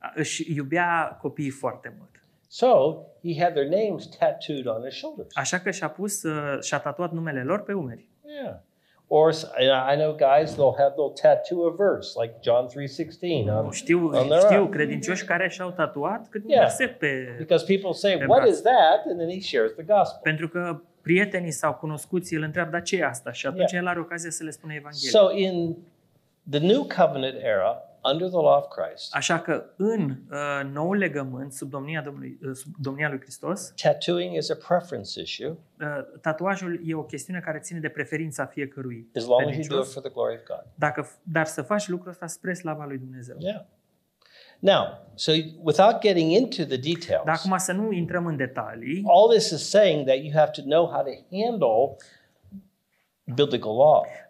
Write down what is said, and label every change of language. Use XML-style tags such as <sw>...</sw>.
<ro>Și iubea copiii foarte mult.</ro> <en>So, he had their names tattooed on his shoulders.</en> <ro>Așa că și-a tatuat numele lor pe umeri.</ro> <en>Yeah. Or I know guys they'll tattoo a verse like John 3:16.</en> <ro>Știu credincioși care și-au tatuat cât un verset pe.</ro> <en>Because people say what is that and then he shares the gospel.</en> <ro>Pentru că prietenii sau cunoscuții îl întreabă dar ce e asta și atunci el are ocazia să le spună evanghelia.</ro> <en>So in the new covenant era under the law of Christ.</en> <ro>Așa că în noul legământ sub domnia lui Hristos,</ro> <en>tattooing is a preference issue.</en> <ro>Tatuajul e o chestiune care ține de preferința fiecărui.</ro> <en>As long as you do it for the glory of God.</en> <ro>Dar să faci lucrul ăsta spre slava lui Dumnezeu.</ro> <en>Yeah. Now, so without getting into the details.</en> <ro>Dar acum să nu intrăm în detalii.</ro> <en>All this is saying that you have to know how to handle biblical law.</en>